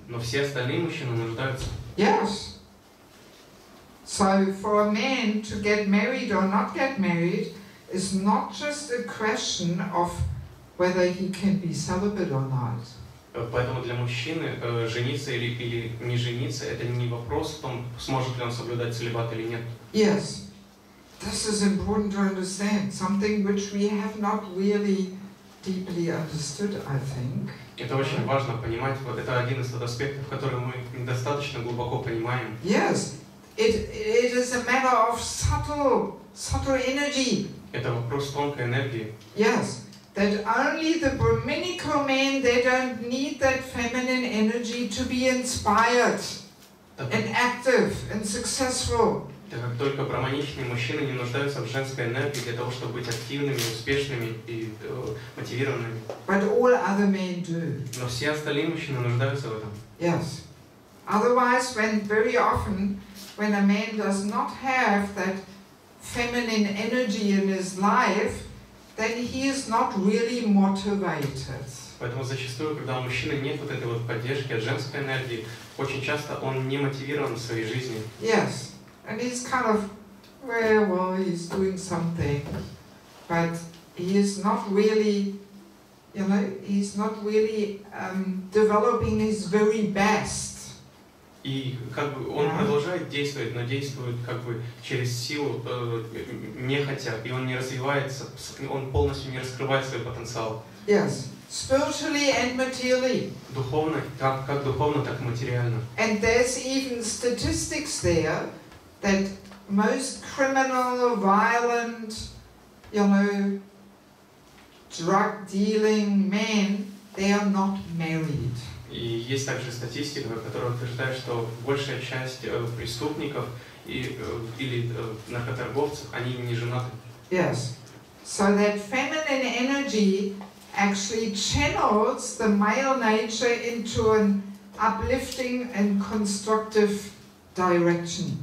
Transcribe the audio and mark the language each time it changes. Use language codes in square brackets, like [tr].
[ru] Но все остальные мужчины нуждаются. [en] Yes. So for a man to get married or not get married is not just a question of whether he can be celibate or not. [ru] Поэтому для мужчины жениться или не жениться это не вопрос о том, сможет ли он соблюдать целибат или нет. [en] Yes. This is important to understand, something which we have not really deeply understood, I think. [ru] Это очень важно понимать, вот это один из аспектов, который мы недостаточно глубоко понимаем. [en] Yes, it is a matter of subtle energy. [ru] Это вопрос тонкой энергии. [en] Yes, that only the brahminical men, they don't need that feminine energy to be inspired and active and successful. [ru] Так как только брахманичные мужчины не нуждаются в женской энергии для того, чтобы быть активными, успешными и мотивированными. [en] But all other men do. [ru] Но все остальные мужчины нуждаются в этом. [en] Yes. Otherwise, when very often, when a man does not have that feminine energy in his life, then he is not really motivated. [ru] Поэтому зачастую, когда у мужчины нет вот этой вот поддержки от женской энергии, очень часто он не мотивирован в своей жизни. [en] Yes. And he's kind of, well, he's doing something, but he is not really, you know, he's not really developing his very best. [ru] И как бы он продолжает действовать, но действует как бы через силу, нехотя, и он не развивается, он полностью не раскрывает свой потенциал. [en] Yes. Spiritually and materially. [ru] Духовно, как духовно, так и материально. [en] And there's even statistics there. That most criminal, violent, you know, drug-dealing men, they are not married. [ru] И есть также статистика, которая утверждает, что большая часть преступников или наркоторговцев, они не женаты. [en] Yes. So that feminine energy actually channels the male nature into an uplifting and constructive direction.